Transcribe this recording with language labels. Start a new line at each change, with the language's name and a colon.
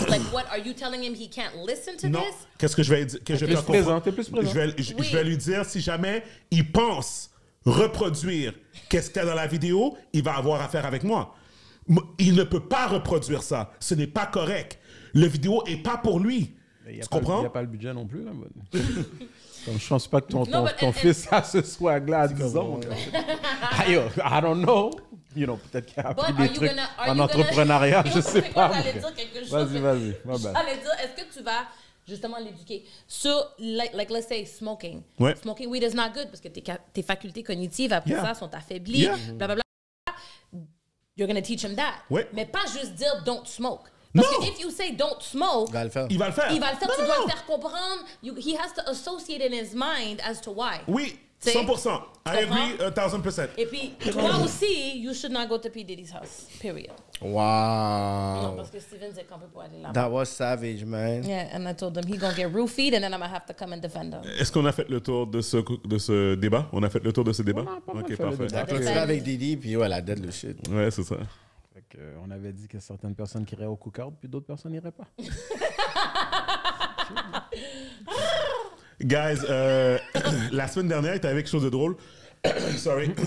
English: Like, what are you telling him he can't listen to
French: non.
English: this?
French: Qu'est-ce que je vais lui dire? T'es plus présent. Je vais lui dire, si jamais il pense reproduire qu'est-ce qu'il y a dans la vidéo, il va avoir affaire avec moi. Il ne peut pas reproduire ça. Ce n'est pas correct. La vidéo n'est pas pour lui. Tu comprends? Il n'y a pas le budget non plus. Là. Comme, je pense pas que ton fils a ce swag-là à 10 ans.
English: I don't know. You know,
French: peut-être qu'il a appris des trucs en entrepreneuriat, je sais pas. J'allais dire quelque chose. Vas-y. J'allais dire, est-ce que tu vas justement l'éduquer sur,
English: like let's say, smoking.
French: Ouais.
English: Smoking weed is not good
French: parce que tes facultés cognitives après ça sont affaiblies. Yeah.
English: Blah, blah, blah. You're going to teach him that.
French: Ouais. Mais pas juste dire
English: don't smoke.
French: Parce que
English: if you say don't smoke,
French: il va le faire. Non, tu dois le faire comprendre.
English: He has to associate in his mind as to why. Oui, 100%. I agree 1000%.
French: Et puis, toi aussi,
English: you should not go to P. Diddy's house. Period. Wow.
French: Non, parce que Stevens est campé pour aller là-bas.
English: That was savage, man. Yeah, and I told him he's going to get roofied and then I'm going to have to come and defend him.
French: Est-ce qu'on a fait le tour de ce débat? On a fait le tour de ce débat? Non, pas mal. Okay, parfait. D'accord. Avec Diddy, puis ouais, la dead le shit. Ouais, c'est ça. On avait dit que certaines personnes iraient au cookout puis d'autres personnes n'iraient pas. Guys, la semaine dernière, il y avait quelque chose de drôle. Sorry.